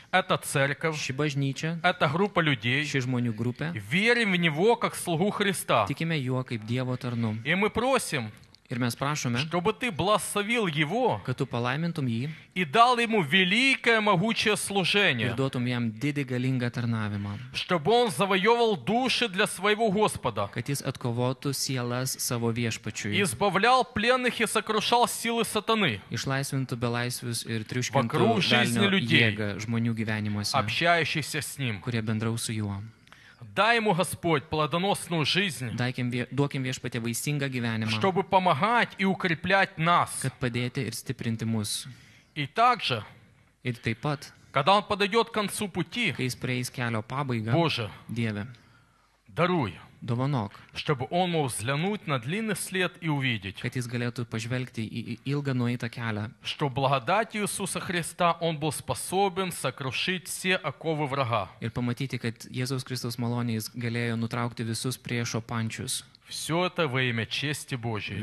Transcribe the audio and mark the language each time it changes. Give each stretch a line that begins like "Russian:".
Russian: эта церковь,
Lithuanian: ši bažnyčia,
Russian: эта группа людей,
Lithuanian: ši žmonių grupė,
Russian: верим в Него как слугу Христа,
Lithuanian: tikime juo kaip Dievo tarnu,
Russian: и мы просим,
Lithuanian: ir mes prašome,
Russian: чтобы ты благословил его,
Lithuanian: kad tu palaimintum jį,
Russian: и дал ему великое могучее служение,
Lithuanian: ir duotum jam didį galingą tarnavimą,
Russian: чтобы он завоевал души для своего Господа,
Lithuanian: kad jis atkovotų sielas savo viešpačiui,
Russian: избавлял пленных и сокрушал силы сатаны,
Lithuanian: išlaisvintų belaisvius ir triuškintų velnio jėgą žmonių gyvenimuose,
Russian: общающихся с ним,
Lithuanian: kurie bendraus su juo.
Russian: Дай ему Господь плодоносную жизнь, дай им
Lithuanian: Вешпатя vaisingą gyvenimą,
Russian: чтобы помогать и укреплять нас,
Lithuanian: kad padėti ir stiprinti mus.
Russian: И также,
Lithuanian: ir taip pat,
Russian: когда он подойдет к концу пути,
Lithuanian: kai jis prieis kelio pabaigą,
Russian: Боже,
Lithuanian: Dieve,
Russian: даруй,
Lithuanian: dovanok,
Russian: чтобы он мог взглянуть на длинный след и увидеть,
Lithuanian: kad jis galėtų pažvelgti į ilgą nueitą kelią,
Russian: что благодатью Иисуса Христа он был способен сокрушить все оковы врага,
Lithuanian: ir pamatyti, kad Jėzaus Kristaus malonė jis galėjo nutraukti visus priešo pančius.
Russian: Все это во имя чести Божией.